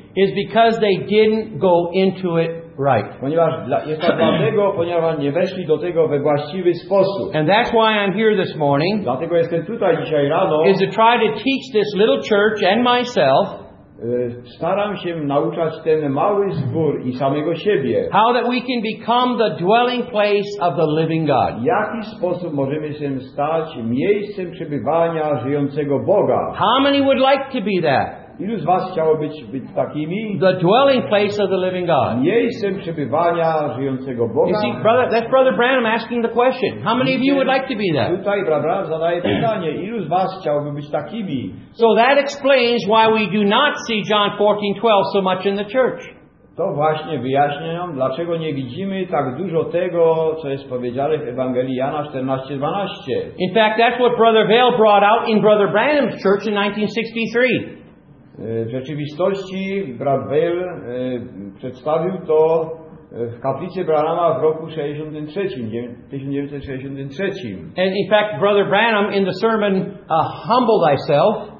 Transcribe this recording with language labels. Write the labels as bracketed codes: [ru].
[en] Is because they didn't go into it right. [pl] Ponieważ jest to dlatego, ponieważ nie weszli do tego we właściwy sposób. [en] And that's why I'm here this morning. [pl] Dlatego jestem tutaj dzisiaj rano. [en] Is to try to teach this little church and myself. [pl] Staram się nauczać ten mały zbór i samego siebie. [en] How that we can become the dwelling place of the living God. [pl] W jaki sposób możemy się stać miejscem przebywania żyjącego Boga? [en] How many would like to be that? [pl] Ilu z was chciało być takimi? [en] The dwelling place of the living God. [pl] Miejscem przebywania żyjącego Boga. [en] You see, brother, that's Brother Branham asking the question. How many of you would like to be that? [pl] Tutaj brat Branham zadaje pytanie. Ilu z was chciałoby być takimi? [en] So that explains why we do not see John 14:12 so much in the church. [pl] To właśnie wyjaśnia nam, dlaczego nie widzimy tak dużo tego, co jest powiedziane w Ewangelii Jana 14:12. [en] In fact, that's what Brother Vale brought out in Brother Branham's church in 1963. [pl] W rzeczywistości brat Vale przedstawił to w kaplicy Branhama w roku 1963. [en] And in fact, Brother Branham in the sermon Humble Thyself.